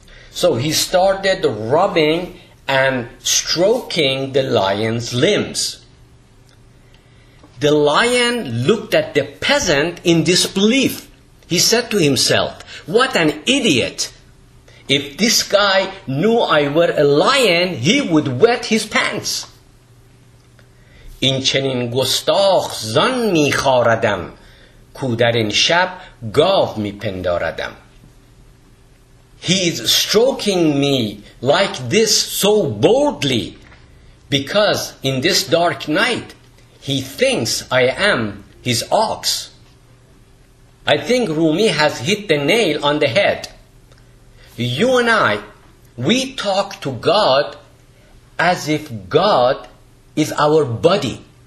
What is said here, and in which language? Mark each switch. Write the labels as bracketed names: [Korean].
[English] So he started rubbing and stroking the lion's limbs. The lion looked at the peasant in disbelief. He said to himself, "What an idiot! If this guy knew I were a lion, he would wet his pants." [Persian] این چنین گستاخ زن می خاردم کو در این شب گاو می پنداردم. [English] He is stroking me like this so boldly because in this dark night he thinks I am his ox. I think Rumi has hit the nail on the head. You and I, we talk to God as if God is our buddy.